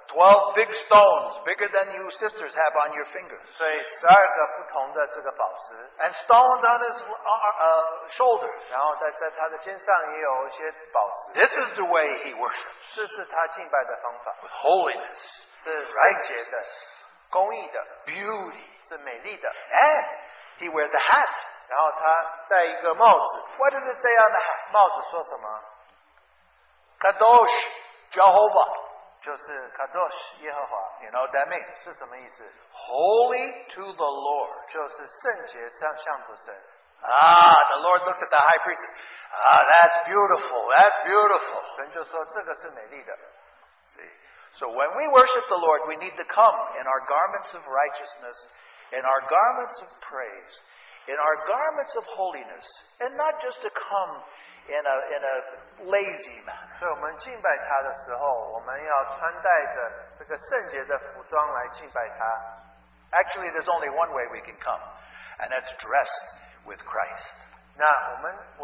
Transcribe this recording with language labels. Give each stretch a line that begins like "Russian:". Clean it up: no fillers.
English: 12 big stones bigger than you sisters have on your fingers.
Chinese: 所以12个不同的这个宝石
English: and stones on his shoulders.
Chinese: 然后在他的肩上也有一些宝石.
English: This is the way he worships.
Chinese: 这是他敬拜的方法.
English: With holiness.
Chinese: 是圣洁的, 公义的,
English: beauty.
Chinese: 是美丽的.
English: And he wears a hat.
Chinese: 然后他戴一个帽子.
English: What does it say on the hat?
Chinese: 帽子说什么?
Hebrew: Kadosh, Jehovah.
Chinese: 就是 Kadosh, 耶和华.
English: You know what that means?
Chinese: 是什么意思?
English: Holy to the Lord.
Chinese: 就是圣洁向主神.
English: Ah, the Lord looks at the high priestess. Ah, that's beautiful, that's beautiful.
Chinese: 神就说, 这个是美丽的.
English: See? So when we worship the Lord, we need to come in our garments of righteousness, in our garments of praise, in our garments of holiness, and not just to come in a lazy manner.
Chinese: 所以我们敬拜他的时候, 我们要穿戴着这个圣洁的服装来敬拜他。
English: Actually, there's only one way we can come, and that's dressed with Christ.